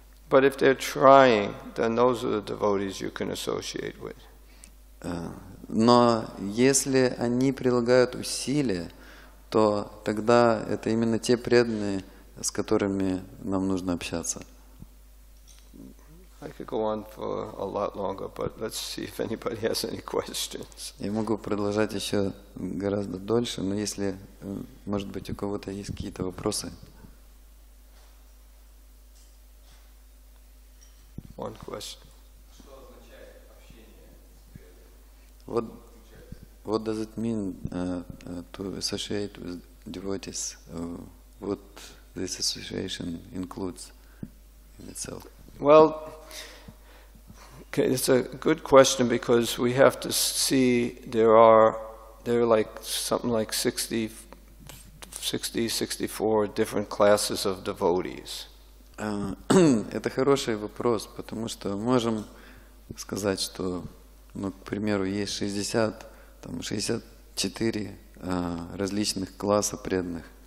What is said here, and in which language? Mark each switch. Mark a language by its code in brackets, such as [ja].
[en] But if they're trying, then those are the devotees you can associate with. [ru] Но если они прилагают усилия, то тогда это именно те преданные, с которыми нам нужно общаться. [en] I could go on for a lot longer, but let's see if anybody has any questions. [ru] Я могу продолжать еще гораздо дольше, но если, может быть, у кого-то есть какие-то вопросы. [en] One question. What does it mean to associate with devotees? What this association includes in itself? Well, okay, it's a good question because we have to see there are like something like 64 different classes of devotees. [ru] Это хороший вопрос, потому что можем сказать, что, ну, к примеру, есть 64 различных класса преданных.